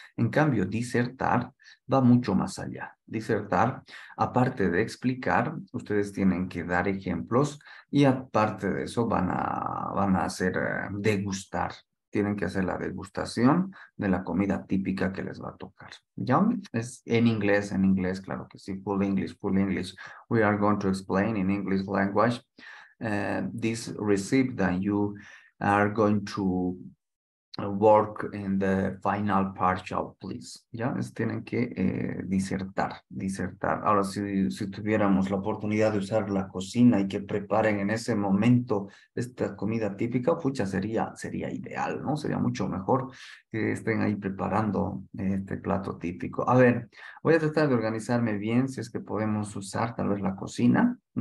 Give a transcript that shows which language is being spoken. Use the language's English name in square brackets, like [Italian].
[Spanish] En cambio, disertar va mucho más allá. Disertar, aparte de explicar, ustedes tienen que dar ejemplos y aparte de eso van a hacer degustar. Tienen que hacer la degustación de la comida típica que les va a tocar. ¿Ya? Es en inglés, claro que sí. [English] Full English. We are going to explain in English language this recipe that you are going to work in the final partial, please. [Spanish] ¿Ya? Tienen que disertar. Ahora, si tuviéramos la oportunidad de usar la cocina y que preparen en ese momento esta comida típica, pucha, sería ideal, ¿no? Sería mucho mejor que estén ahí preparando este plato típico. A ver, voy a tratar de organizarme bien, si es que podemos usar tal vez la cocina.